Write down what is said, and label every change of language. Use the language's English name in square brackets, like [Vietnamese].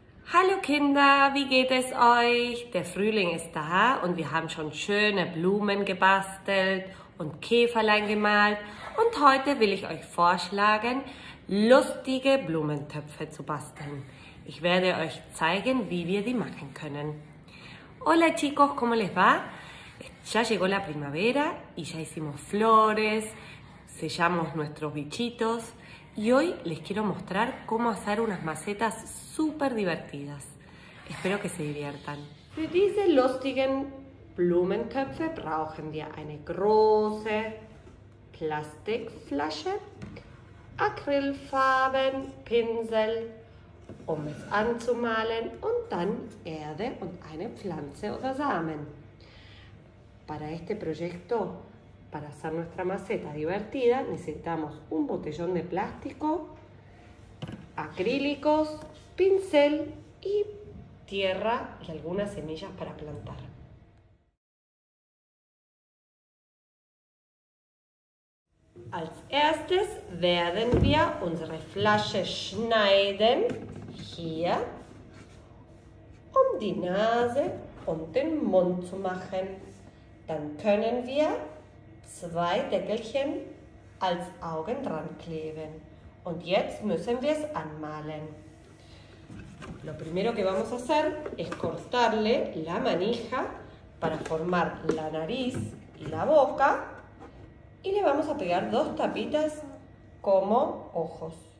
[German] Hallo Kinder, wie geht es euch? Der Frühling ist da und wir haben schon schöne Blumen gebastelt und Käferlein gemalt. Und heute will ich euch vorschlagen, lustige Blumentöpfe zu basteln. Ich werde euch zeigen, wie wir die machen können. [Spanish] Hola chicos, ¿cómo les va? Ya llegó la primavera y ya hicimos flores, sellamos nuestros bichitos. Y hoy les quiero mostrar cómo hacer unas macetas súper divertidas. Espero que se diviertan. [German] Für diese lustigen Blumentöpfe brauchen wir eine große Plastikflasche, Acrylfarben, Pinsel, um es anzumalen und dann Erde und eine Pflanze oder Samen. [Spanish] Para este proyecto, para hacer nuestra maceta divertida, necesitamos un botellón de plástico, acrílicos, pincel y tierra y algunas semillas para plantar. [German] Als erstes werden wir unsere Flasche schneiden, hier, um die Nase und den Mund zu machen. Dann können wir zwei Deckelchen als Augen dran kleben. Und jetzt müssen wir es anmalen. [Spanish] Lo primero que vamos a hacer es cortarle la manija para formar la nariz y la boca y le vamos a pegar dos tapitas como ojos.